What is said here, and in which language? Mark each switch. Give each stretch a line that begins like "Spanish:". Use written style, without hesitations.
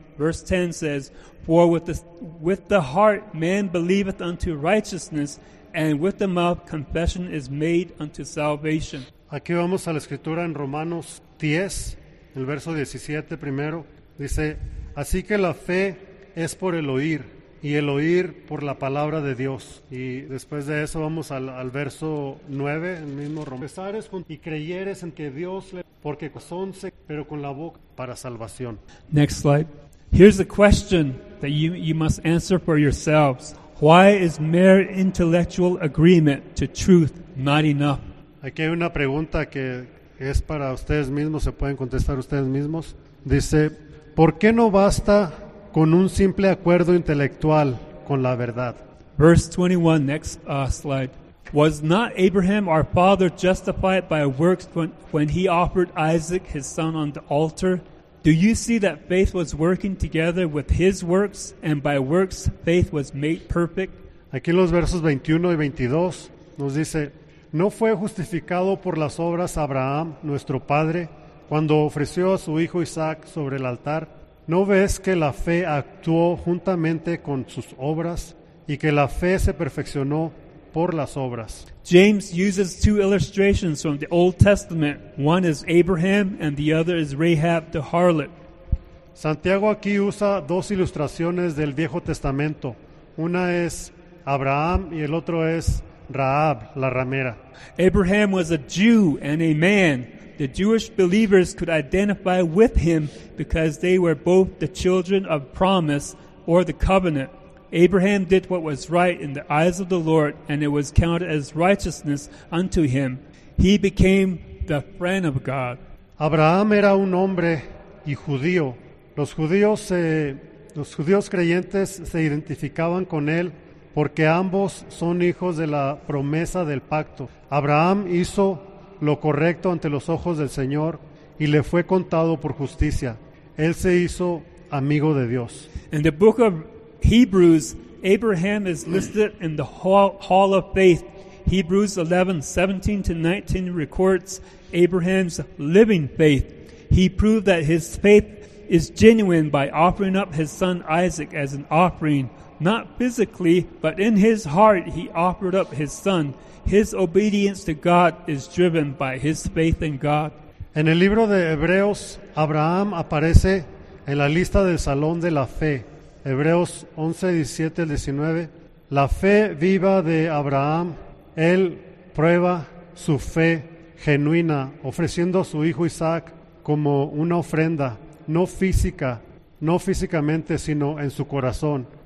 English: Verse 10 says, For with the heart man believeth unto righteousness, and with the mouth confession is made unto salvation.
Spanish: Aquí vamos a la escritura en Romanos 10, el verso 17 primero. Dice, Así que la fe es por el oír, y el oír por la palabra de Dios. Y después de eso vamos al verso 9, el mismo Romano. Y creyeres en que Dios le... Porque son pero con la boca para salvación.
English: Next slide. Here's a question that you must answer for yourselves. Why is mere intellectual agreement to truth not enough?
Spanish: Aquí hay una pregunta que es para ustedes mismos, se pueden contestar ustedes mismos. Dice, ¿por qué no basta con un simple acuerdo intelectual con la verdad?
English: Verse 21, next slide. Was not Abraham our father justified by works when he offered Isaac his son on the altar? Do you see that faith was working together with his works, and by works faith was made perfect?
Spanish: Aquí en los versos 21 y 22 nos dice, ¿No fue justificado por las obras Abraham, nuestro padre, cuando ofreció a su hijo Isaac sobre el altar? ¿No ves que la fe actuó juntamente con sus obras y que la fe se perfeccionó por las obras?
English: James uses two illustrations from the Old Testament. One is Abraham and the other is Rahab the harlot.
Spanish: Santiago aquí usa dos ilustraciones del Viejo Testamento. Una es Abraham y el otro es Rahab, la ramera.
English: Abraham was a Jew and a man. The Jewish believers could identify with him because they were both the children of promise or the covenant. Abraham did what was right in the eyes of the Lord, and it was counted as righteousness unto him. He became the friend of God.
Spanish: Abraham era un hombre y judío. Los judíos creyentes se identificaban con él porque ambos son hijos de la promesa del pacto. Abraham hizo lo correcto ante los ojos del Señor y le fue contado por justicia. Él se hizo amigo de Dios.
English: In the book of Hebrews, Abraham is listed in the hall of faith. Hebrews 11:17-19 records Abraham's living faith. He proved that his faith is genuine by offering up his son Isaac as an offering. Not physically, but in his heart he offered up his son. His obedience to God is driven by his faith in God.
Spanish: En el libro de Hebreos, Abraham aparece en la lista del salón de la fe. Hebreos 11:17-19. La fe viva de Abraham, él prueba su fe genuina, ofreciendo a su hijo Isaac como una ofrenda, no física, no físicamente, sino en su corazón.